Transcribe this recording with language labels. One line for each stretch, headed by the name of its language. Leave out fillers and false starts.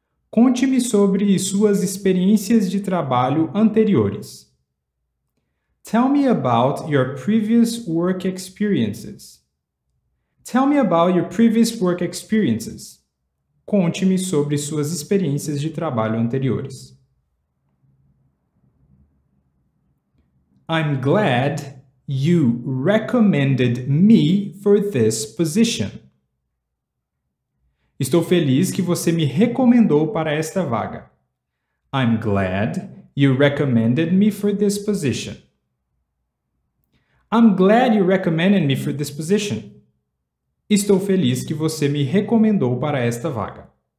Portuguese: Conte-me sobre suas experiências de trabalho anteriores.
English: Tell me about your previous work experiences. Tell me about your previous work experiences.
Portuguese: Conte-me sobre suas experiências de trabalho anteriores.
English: I'm glad you recommended me for this position.
Portuguese: Estou feliz que você me recomendou para esta vaga.
English: I'm glad you recommended me for this position. I'm glad you recommended me for this position.
Portuguese: Estou feliz que você me recomendou para esta vaga.